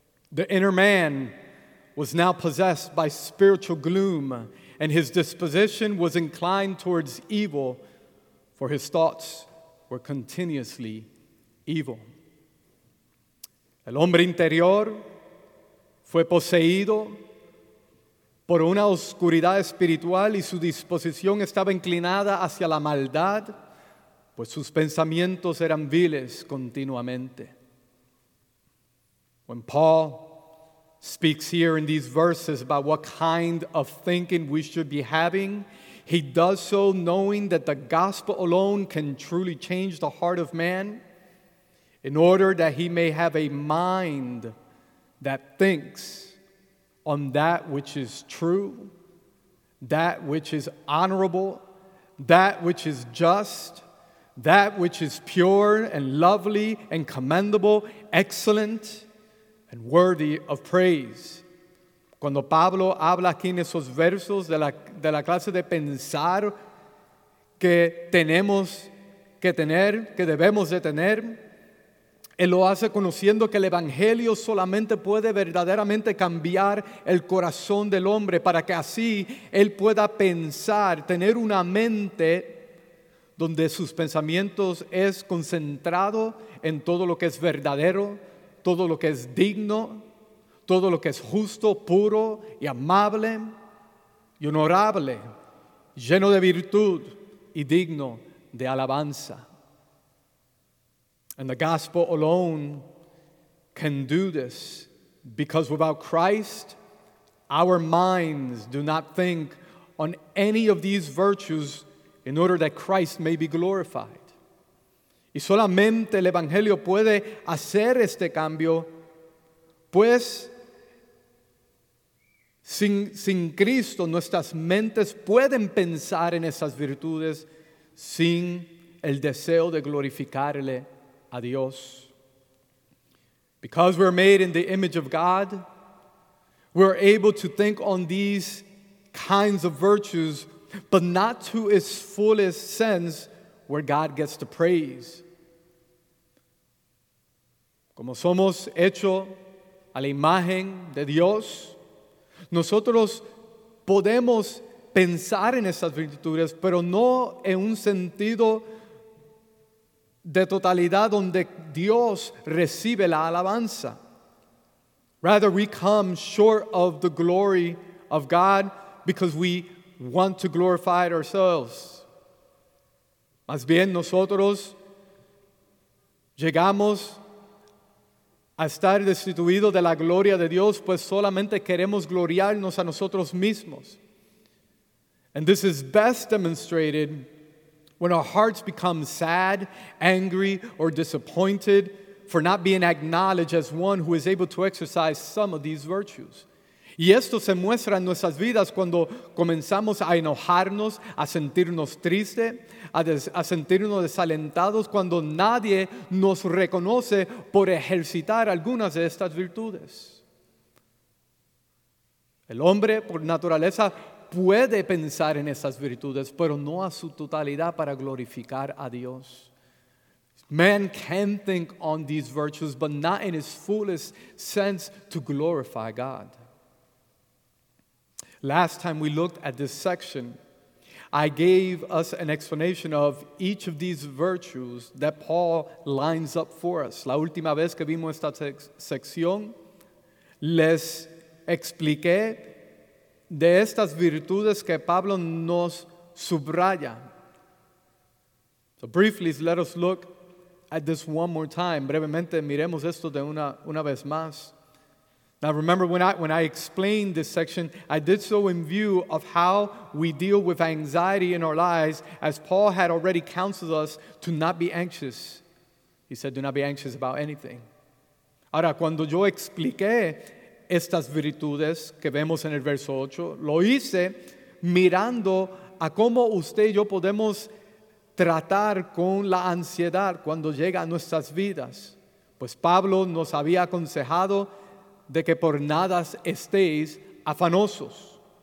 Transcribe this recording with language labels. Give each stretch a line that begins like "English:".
English: The inner man was now possessed by spiritual gloom, and his disposition was inclined towards evil, for his thoughts were continuously evil.
Spanish: El hombre interior fue poseído por una oscuridad espiritual y su disposición estaba inclinada hacia la maldad, pues sus pensamientos eran viles continuamente.
English: When Paul speaks here in these verses about what kind of thinking we should be having, he does so knowing that the gospel alone can truly change the heart of man in order that he may have a mind that thinks on that which is true, that which is honorable, that which is just, that which is pure and lovely and commendable, excellent and worthy of praise.
Spanish: Cuando Pablo habla aquí en esos versos de la clase de pensar que tenemos que tener, que debemos de tener, él lo hace conociendo que el Evangelio solamente puede verdaderamente cambiar el corazón del hombre para que así él pueda pensar, tener una mente donde sus pensamientos es concentrado en todo lo que es verdadero, todo lo que es digno, todo lo que es justo, puro y amable y honorable, lleno de virtud y digno de alabanza.
English: And the gospel alone can do this, because without Christ, our minds do not think on any of these virtues in order that Christ may be glorified.
Spanish: Y solamente el Evangelio puede hacer este cambio, pues sin Cristo nuestras mentes pueden pensar en esas virtudes sin el deseo de glorificarle a Dios.
English: Because we're made in the image of God, we're able to think on these kinds of virtues, but not to its fullest sense where God gets the praise.
Spanish: Como somos hecho a la imagen de Dios, nosotros podemos pensar en esas virtudes, pero no en un sentido de totalidad donde Dios recibe la alabanza.
English: Rather, we come short of the glory of God because we want to glorify ourselves.
Spanish: Más bien, nosotros llegamos a estar destituido de la gloria de Dios, pues solamente queremos gloriarnos a nosotros mismos.
English: And this is best demonstrated when our hearts become sad, angry, or disappointed for not being acknowledged as one who is able to exercise some of these virtues.
Spanish: Y esto se muestra en nuestras vidas cuando comenzamos a enojarnos, a sentirnos tristes, a sentirnos desalentados, cuando nadie nos reconoce por ejercitar algunas de estas virtudes. El hombre, por naturaleza, puede pensar en esas virtudes, pero no a su totalidad para glorificar a Dios.
English: Man can think on these virtues, but not in his fullest sense to glorify God. Last time we looked at this section, I gave us an explanation of each of these virtues that Paul lines up for us.
Spanish: La última vez que vimos esta sección, les expliqué de estas virtudes que Pablo nos subraya.
English: So briefly, let us look at this one more time.
Spanish: Brevemente, miremos esto de una vez más.
English: Now remember, when I explained this section, I did so in view of how we deal with anxiety in our lives, as Paul had already counseled us to not be anxious. He said, do not be anxious about anything.
Spanish: Ahora, cuando yo expliqué estas virtudes que vemos en el verso 8, lo hice mirando a cómo usted y yo podemos tratar con la ansiedad cuando llega a nuestras vidas. Pues Pablo nos había aconsejado de que por nada estéis afanosos.